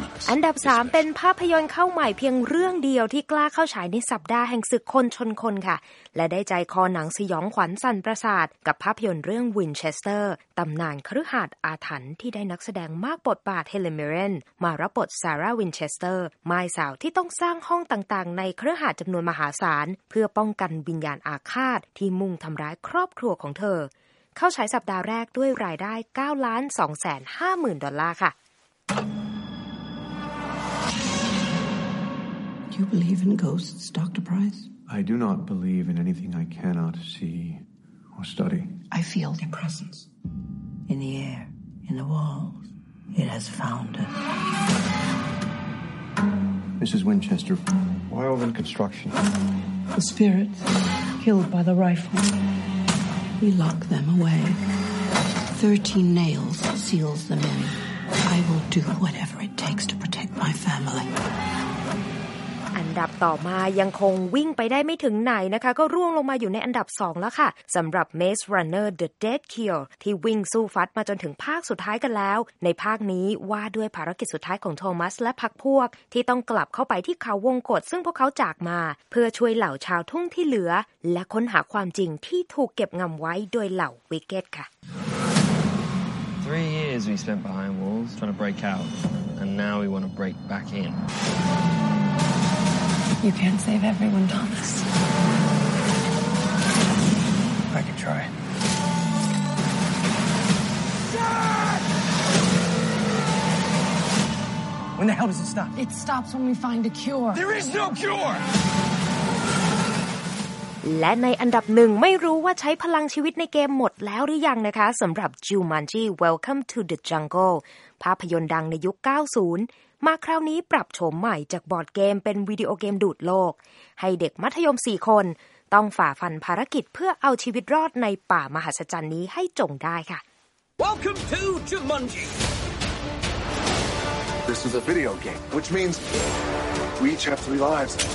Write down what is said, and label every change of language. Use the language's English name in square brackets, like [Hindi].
[Thai] อันดับ3เป็นภาพยนตร์เข้าใหม่เพียงเรื่องเดียวที่กล้าเข้าฉายในสัปดาห์แห่งศึกคนชนคนค่ะและได้ใจคอหนังสยองขวัญสั่นประสาทกับภาพยนตร์เรื่องวินเชสเตอร์ตำนานคฤหาสน์อาถรรพ์ที่ได้นักแสดงมากบทบาทเฮเลนมิเรนมารับบทซาร่าวินเชสเตอร์มายสาวที่ต้องสร้างห้องต่างๆในคฤหาสน์จำนวนมหาศาลเพื่อป้องกันวิญญาณอาฆาตที่มุ่งทำร้ายครอบครัวของเธอเข้าฉายสัปดาห์แรกด้วยรายได้ 9,250,000 ดอลลาร์ค่ะ [English] Do you believe in ghosts, Dr. Price? I do not believe in anything I cannot see or study. I feel their presence in the air, in the walls. It has found us. Mrs. Winchester, while in construction, the spirits killed by the rifle, we lock them away. 13 nails seals them in. I will do whatever it takes to protect my family. [Thai] อันดับต่อมายังคงวิ่งไปได้ไม่ถึงไหนนะคะก็ร่วงลงมาอยู่ในอันดับ2แล้วค่ะสำหรับ Maze Runner The Dead Cure ที่วิ่งสู้ฟัดมาจนถึงภาคสุดท้ายกันแล้วในภาคนี้ว่าด้วยภารกิจสุดท้ายของโทมัสและพรรคพวกที่ต้องกลับเข้าไปที่เขาวงกตซึ่งพวกเขาจากมาเพื่อช่วยเหล่าชาวทุ่งที่เหลือและค้นหาความจริงที่ถูกเก็บงำไว้โดยเหล่าวิกเก็ตค่ะ [English] 3 years we spent behind walls trying to break out and now we want to break back in You can't save everyone, Thomas. I can try. Dad! When the hell does it stop? It stops when we find a cure. There is no cure! [Thai] และในอันดับ1ไม่รู้ว่าใช้พลังชีวิตในเกมหมดแล้วหรือยังนะคะสำหรับ Jumanji Welcome to the Jungle ภาพยนตร์ดังในยุค90มาคราวนี้ปรับโฉมใหม่จากบอร์ดเกมเป็นวิดีโอเกมดูดโลกให้เด็กมัธยม4คนต้องฝ่าฟันภารกิจเพื่อเอาชีวิตรอดในป่ามหัศจรรย์นี้ให้จงได้ค่ะ [English] Welcome to Jumanji This is a video game which means we each have 3 lives